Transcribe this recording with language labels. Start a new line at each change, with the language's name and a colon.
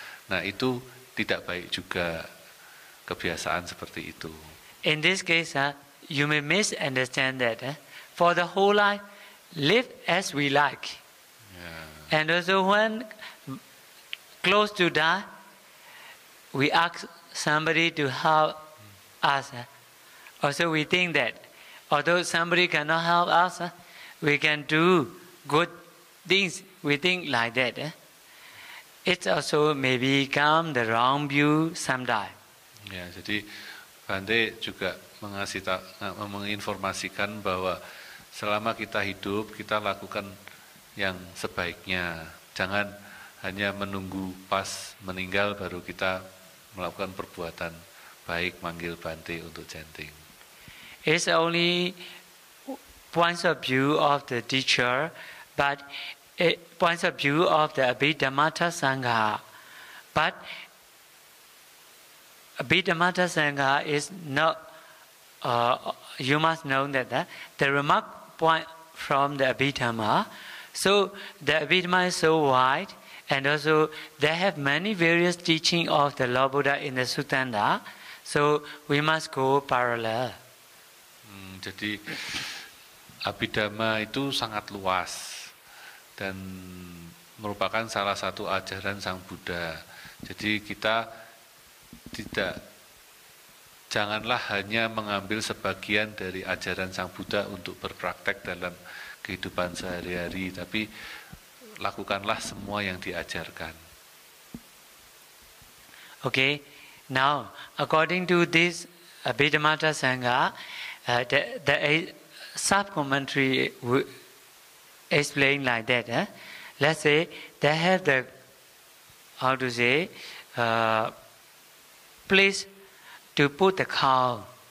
Indonesian: Nah, itu tidak baik juga kebiasaan seperti itu.
English: In this case, you may misunderstand that. For the whole life, live as we like. Yeah. And also when close to die, we ask somebody to help us. Also we think that although somebody cannot help us, we can do good things. We think like that. It also may become the wrong view sometime.
Indonesian: Ya, jadi Bante juga menginformasikan bahwa selama kita hidup, kita lakukan yang sebaiknya. Jangan hanya menunggu pas meninggal baru kita melakukan perbuatan baik, manggil Bante untuk chanting.
English: It's only points of view of the teacher, but points of view of the Abhidhammata Sangha, but Abhidhammata Sangha is not. You must know that the remark point from the Abhidhamma. So the Abhidhamma is so wide, and also they have many various teaching of the Lord Buddha in the Suttanda. So we must go parallel.
Indonesian: Jadi Abhidhamma itu sangat luas. Dan merupakan salah satu ajaran Sang Buddha. Jadi kita tidak, janganlah hanya mengambil sebagian dari ajaran Sang Buddha untuk berpraktek dalam kehidupan sehari-hari, tapi lakukanlah semua yang diajarkan.
English: Okay, now according to this Abhidhammata Sangha, the sub-commentary explain like that. Let's say they have the place to put the cow.